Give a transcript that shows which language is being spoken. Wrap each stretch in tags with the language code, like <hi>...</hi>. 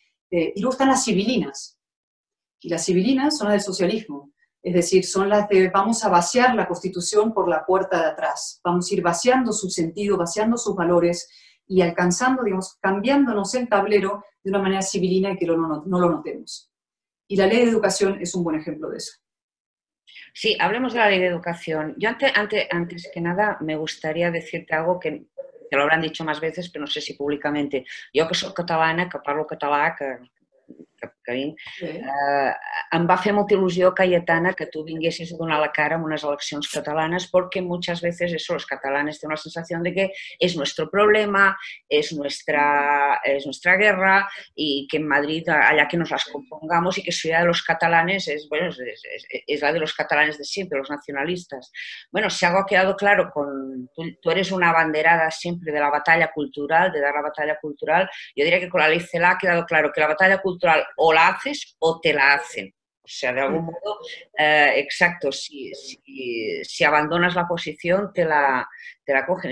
<es>Y luego están las civilinas. Y las civilinas son las del socialismo, es decir, son las de vamos a vaciar la Constitución por la puerta de atrás, vamos a ir vaciando su sentido, vaciando sus valores y alcanzando, digamos, cambiándonos el tablero de una manera civilina y que no lo notemos. Y la ley de educación es un buen ejemplo de eso. Sí, hablemos de la ley de educación. Yo antes que nada me gustaría decirte algo que te lo habrán dicho más veces, pero no sé si públicamente. Yo que soy catalana,</es> <ca>que parlo català, em va fer molta il·lusió, Cayetana, que tu vinguessis a donar la cara en unes eleccions catalanes, perquè moltes vegades això, els catalans tenen la sensació de que és el nostre problema, és la nostra guerra, i que en Madrid, allà que nos les compongam, i que això ja dels catalans és, bueno, és la dels catalans de sempre, els nacionalistes.</ca> <es>Bueno, si algo ha quedado claro, tu eres una abanderada sempre de la batalla cultural, de dar la batalla cultural,</es> <ca>jo diria que</ca> <es>con la ley CELA ha quedado claro que la batalla cultural o la haces o te la hacen. O sea, de algún modo, exacto, si abandonas la posición, te la cogen.</es>